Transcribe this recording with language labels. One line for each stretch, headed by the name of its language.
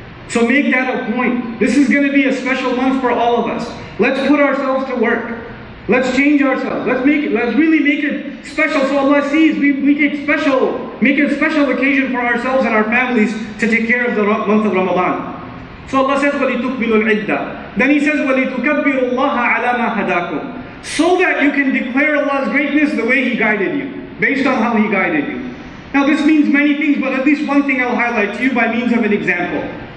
English: So make that a point. This is going to be a special month for all of us. Let's put ourselves to work. Let's change ourselves. Let's really make it special so Allah sees we make it a special occasion for ourselves and our families to take care of the month of Ramadan. So Allah says,
Arabic: وَلِتُكْبِلُ الْعِدَّةِ.
English: Then He says,
Arabic: وَلِتُكَبِّرُ اللَّهَ عَلَى مَا هَدَاكُمْ.
English: So that you can declare Allah's greatness the way He guided you, based on how He guided you. Now this means many things, but at least one thing I'll highlight to you by means of an example.